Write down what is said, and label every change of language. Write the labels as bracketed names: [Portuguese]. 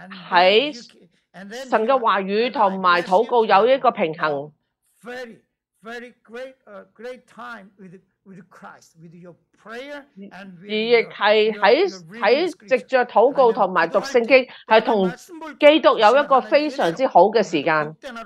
[Chinese] 在神的话语和祷告有一个平衡。 [English] Very, very great, great time with Christ, with your prayer and with your prayer. [Chinese] 在藉着祷告和读圣经是和基督有一个非常好的时间。